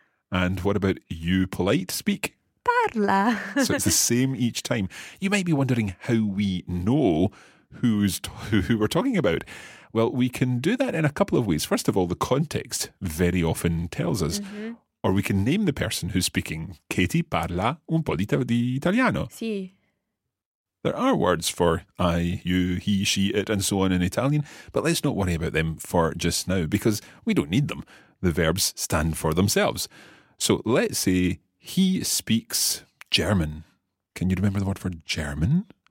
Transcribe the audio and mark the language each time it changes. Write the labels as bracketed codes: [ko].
[en] And what about you polite speak? [it] Parla. [en] So it's the same each time. You might be wondering how we know who we're talking about. Well, we can do that in a couple of ways. First of all, the context very often tells us. Mm-hmm. Or we can name the person who's speaking. [it] Katie parla un po' di italiano. Sì. [en] There are words for I, you, he, she, it, and so on in Italian, but let's not worry about them for just now because we don't need them. The verbs stand for themselves. So let's say he speaks German. Can you remember the word for German?